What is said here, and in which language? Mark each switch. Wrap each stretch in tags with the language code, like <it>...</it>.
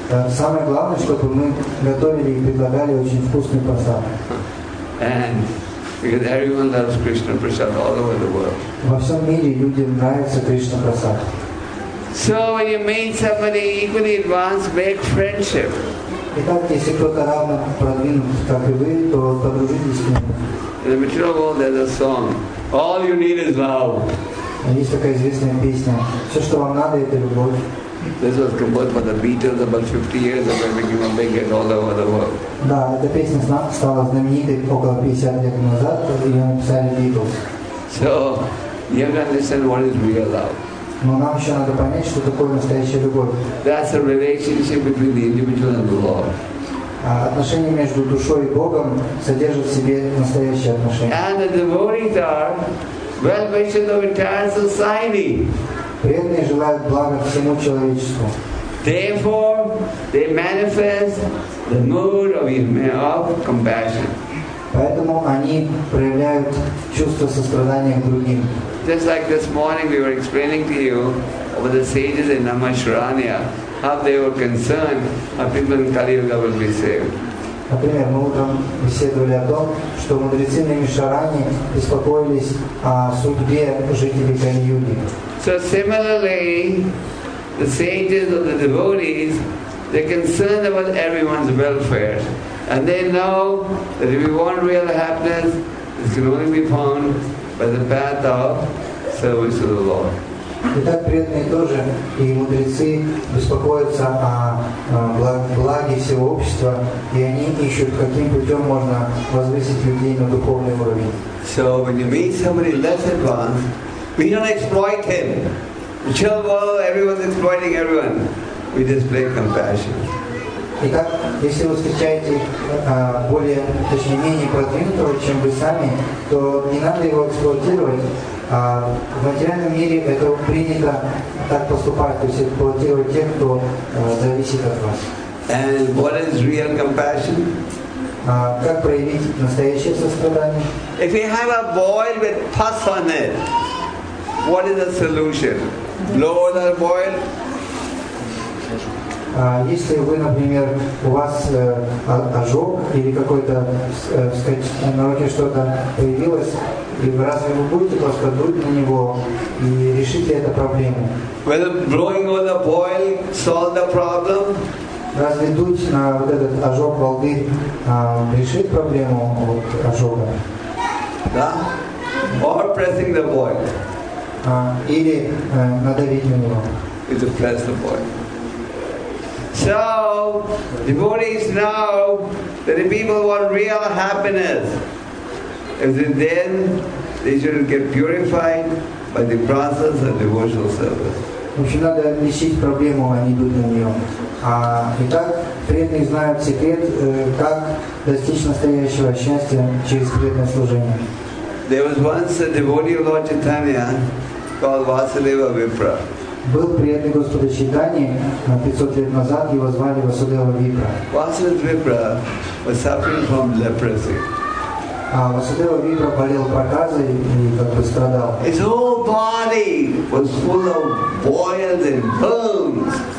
<ru>Самое главное, чтобы мы готовили и предлагали очень вкусный просад.</ru> <en>And because everyone loves Krishna prasad all over the world.</en> <ru>Во всем мире людям нравится Кришна прасад.</ru> <en>So when you meet somebody equally advanced, make friendship.</en> <ru>Итак, если кто-то равно продвинут, как и вы, то подружитесь с ним.</ru> <en>In the material world there's a song. All you need is love.</en> <ru>Есть такая известная песня. Все, что вам надо, это любовь.</ru> <en>This was composed by the Beatles about 50 years ago, making a big hit all over the world.</en> <ru>Да, эта песня стала знаменитой около 50 лет назад, и ее написали Beatles.</ru> <en>So, you have to understand what is real love.</en> <ru>Но нам еще надо понять, что такое настоящая любовь.</ru> <en>That's a relationship between the individual and the Lord.</en> <ru>Отношения между душой и Богом содержат в себе настоящие отношения.</ru> <en>And the devotees are well-wishers of entire society.</en> <ru>Преданные желают блага всему человечеству.</ru> <en>Therefore, they manifest the mood of compassion.</en> <ru>Поэтому они проявляют чувство сострадания к другим.</ru> <en>Just like this morning we were explaining to you about the sages in Namasharanya, how they were concerned how people in Kali Yuga will be saved.</en> <ru>Например, мы утром беседовали о том, что мудрецы на Нишаране беспокоились о судьбе жителей Кали Юги.</ru> <en>So similarly, the sages or the devotees, they're concerned about everyone's welfare. And they know that if we want real happiness, it can only be found by the path of service to the Lord.</en> <ru>Итак, преданные тоже и мудрецы беспокоятся о благе всего общества, и они ищут, каким путем можно возвысить людей на духовный уровень.</ru> <en>So when you meet somebody less advanced, we don't exploit him. We tell, well, everyone's exploiting everyone. We display compassion.</en> <ru>Итак, если вы встречаете более, точнее, менее продвинутого, чем вы сами, то не надо его эксплуатировать. В материальном мире это принято так поступать, то есть эксплуатировать тех, кто зависит от вас.</ru> <en>And what is real compassion?</en> <ru>Как проявить настоящее сострадание?</ru> <en>If you have a boil with pus on it, what is the solution? Lower the boil?</en> <ru>Если вы, например, у вас ожог или какой-то, сказать, на руке что-то появилось, и разве вы будете просто дуть на него и решите эту проблему?</ru> <en>Will blowing over the boil solve the problem?</en> <ru>Разве дуть на вот этот ожог волды решит проблему вот, ожога?</ru> <en>Да. Or pressing the void.</en> <ru>Или надавить на него.</ru> <en>Is to press the void. So, devotees know that if people want real happiness, then they should get purified by the process of devotional service.</en> <ru>В общем, надо решить проблему, а не быть на нем. Итак, преданные знают секрет, как достичь настоящего счастья через преданное служение.</ru> <en>There was once a devotee of Lord Chaitanya called Vasudeva Vipra.</en> <ru>Был преданный Господа Чайтаньи 500 лет назад, его звали Васудева Випра.</ru> <en>Vasudeva Vipra was suffering from leprosy.</en> <ru>Васудева Випра болел проказой и как бы страдал.</ru> <en>His whole body was full of boils and burns.</en>